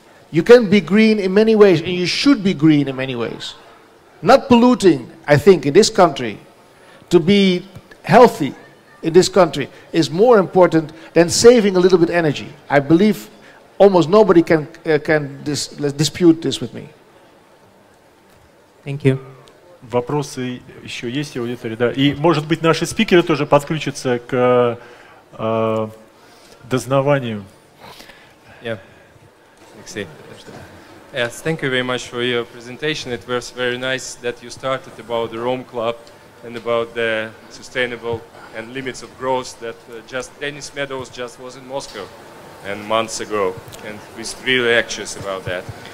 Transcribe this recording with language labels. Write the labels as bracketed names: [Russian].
[English] You can be green in many ways, and you should be green in many ways. Not polluting, I think, in this country, to be healthy in this country is more important than saving a little bit energy. I believe almost nobody can dispute this with me. Thank you. [Russian] Вопросы еще есть в аудитории, да? И, может быть, наши спикеры тоже подключатся к дознаванию. [English] Yeah. Alexey. Yes, thank you very much for your presentation. It was very nice that you started about the Rome Club and about the sustainable and limits of growth that Dennis Meadows just was in Moscow and months ago and was really anxious about that.